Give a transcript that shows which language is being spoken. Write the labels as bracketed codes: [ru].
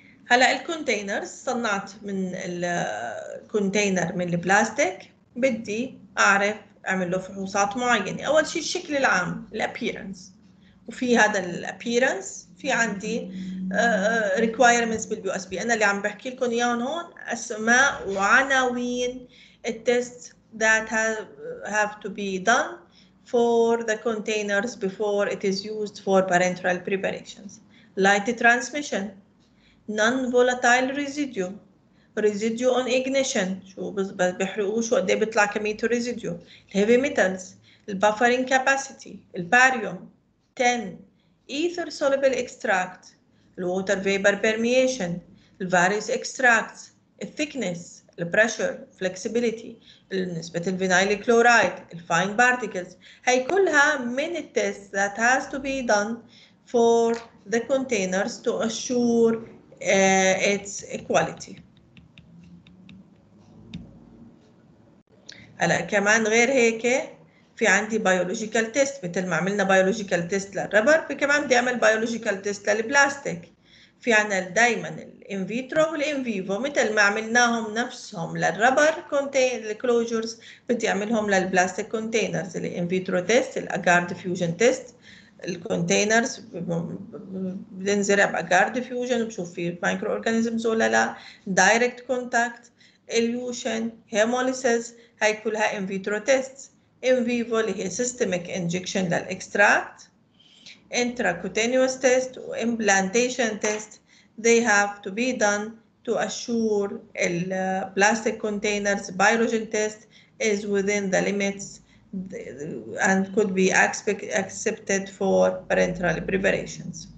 [ar] هلا الكونتينرز، صنعت من الكونتينر من البلاستيك، بدي اعرف اعمل له فحوصات معينه. اول شيء الشكل العام الابيرنس، وفي هذا الابيرنس في عندي requirements بالبي اس بي. انا اللي عم بحكي لكم اياهم هون اسماء وعناوين التست [en] that have to be done for the containers before it is used for parenteral preparations. Light transmission، non-volatile residue on ignition، [ar] شو بيحرقوش وقديه بيطلع كمية [en] residue. Heavy metals، buffering capacity، barium 10، ether soluble extract، water vapor permeation، various extracts، thickness، pressure، flexibility، نسبة الفينايل chloride, fine particles. [ar] هاي كلها من التست [en] that has to be done for the containers to assure its equality. [ar] هلا كمان غير هيك في عندي بيولوجيكال تيست، مثل ما عملنا بيولوجيكال تيست للربر، في كمان بدي اعمل بيولوجيكال تيست للبلاستيك. في عنا دائما الان فيترو والان فيفو، مثل ما عملناهم نفسهم للربر كونتينر الكلوجرز، بدي اعملهم للبلاستيك كونتينرز، الان فيترو تيست، الاجار ديفيوجن تيست. الكونتينرز بنزرع باجار ديفيوجن بشوف في مايكرو اورجانيزمز ولا لا، دايركت كونتاكت، اليوشن، هيموليسيس، هاي كلها ان فيترو تيست. ان فيفو اللي هي سيستميك انجكشن للاكستراكت، انتراكوتينيوس تيست وامبلانتيشن تيست، [en] they have to be done to assure [ar] البلاستيك كونتينرز بايروجين تيست [en] is within the limits and could be accepted for parenteral preparations.